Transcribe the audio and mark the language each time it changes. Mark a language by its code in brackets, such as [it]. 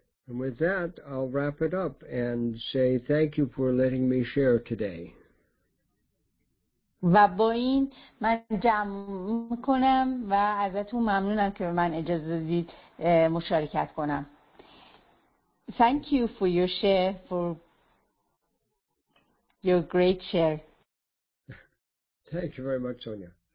[en] And with that, I'll wrap it up and say thank you for letting me share today. [fa] و با این من جمع میکنم و ازتون ممنونم که به من اجازه دادید مشارکت کنم. [en] Thank you for your share, for your great share. Thank you very much, Sonia.